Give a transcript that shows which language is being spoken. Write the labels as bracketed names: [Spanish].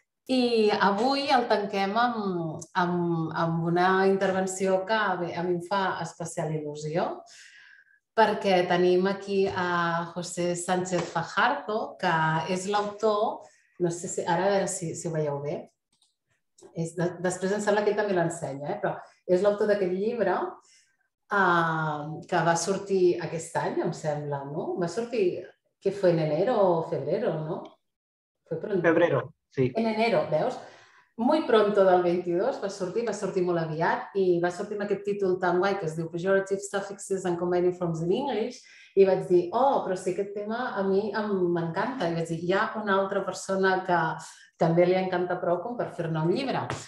[Catalan] I avui el tanquem amb una intervenció que a mi em fa especial il·lusió, perquè tenim aquí a José Sánchez Fajardo, que és l'autor, no sé si, ara a veure si ho veieu bé, després em sembla que ell també l'ensenya, però és l'autor d'aquest llibre que va sortir aquest any, em sembla, no? Va sortir, [Spanish] que fue en enero o febrero, no? Febrero, sí. En enero, veus? Muy pronto del 22 [Catalan] va sortir molt aviat i va sortir amb aquest títol tan guai que es diu Pejorative Suffixes and Combining Forms in English i vaig dir, oh, però sí, aquest tema a mi m'encanta. I vaig dir, hi ha una altra persona que també li encanta prou com per fer-ne un llibre.